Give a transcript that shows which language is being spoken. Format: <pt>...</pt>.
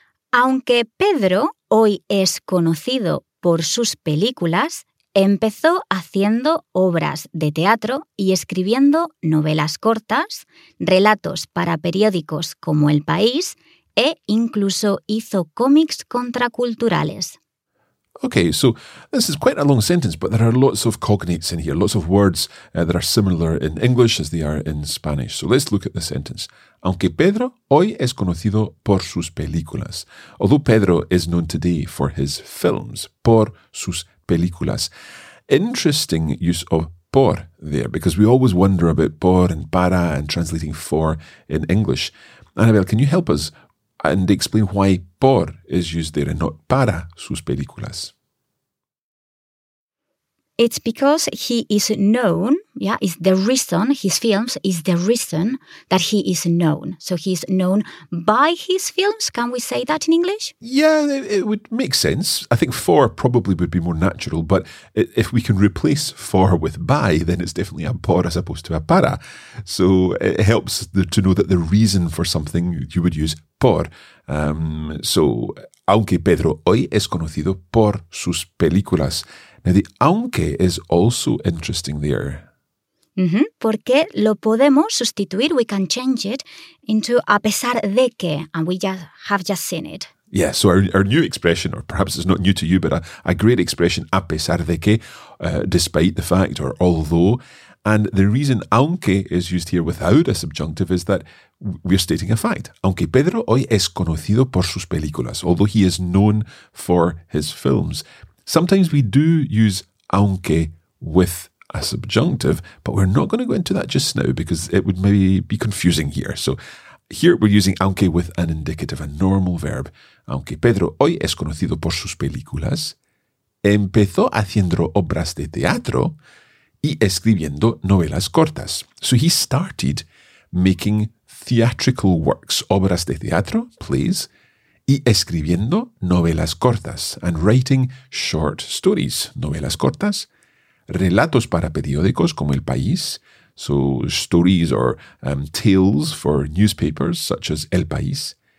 <es>Aunque Pedro hoy es conocido por sus películas, empezó haciendo obras de teatro y escribiendo novelas cortas, relatos para periódicos como El País e incluso hizo cómics contraculturales.</es> <en>Okay, so this is quite a long sentence, but there are lots of cognates in here, lots of words that are similar in English as they are in Spanish. So let's look at the sentence.</en> <es>Aunque Pedro hoy es conocido por sus películas.</es> <en>Although Pedro is known today for his films,</en> <es>por sus películas.</es> <en>Interesting use of por there, because we always wonder about por and para and translating for in English. Anabel, can you help us and explain why por is used there and not</en> <es>para sus películas?</es> <en>It's because he is known, yeah, is the reason, his films is the reason that he is known. So he's known by his films, can we say that in English? Yeah, it would make sense. I think for probably would be more natural, but if we can replace for with by, then it's definitely a por as opposed to a para. So it helps to know that the reason for something you would use por.</en> <es>So, aunque Pedro hoy es conocido por sus películas.</es> <en>Now, the aunque is also interesting there. Mm-hmm.</en> <es>Porque lo podemos sustituir,</es> <en>we can change it into</en> <es>a pesar de que,</es> <en>and we have just seen it. Yeah, so our new expression, or perhaps it's not new to you, but a great expression,</en> <es>a pesar de que,</es> <en>despite the fact, or although. And the reason aunque is used here without a subjunctive is that we're stating a fact.</en> <es>Aunque Pedro hoy es conocido por sus películas,</es> <en>although he is known for his films. Sometimes we do use aunque with a subjunctive, but we're not going to go into that just now because it would maybe be confusing here. So here we're using aunque with an indicative, a normal verb.</en> <es>Aunque Pedro hoy es conocido por sus películas, empezó haciendo obras de teatro y escribiendo novelas cortas.</es> <en>So he started making theatrical works,</en> <es>obras de teatro,</es> <en>plays,</en> <es>y escribiendo novelas cortas,</es> <en>and writing short stories,</en> <es>novelas cortas, relatos para periódicos como El País,</es> <en>so stories or tales for newspapers such as El País,</en>